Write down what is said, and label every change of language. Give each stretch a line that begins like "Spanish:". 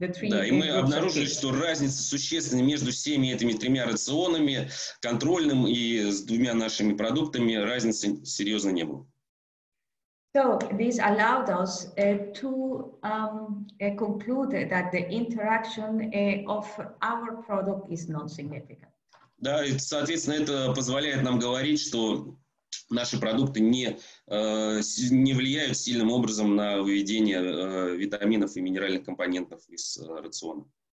Russian: Да, и мы обнаружили, что разница существенная между всеми этими тремя рационами, контрольным и с двумя нашими продуктами, разницы серьезно не было.
English: So this allowed us to conclude that the interaction of our product is non-significant.
Russian: Да, и, соответственно, это позволяет нам говорить, что наши продукты не влияют сильным образом на выведение витаминов и минеральных компонентов из рациона.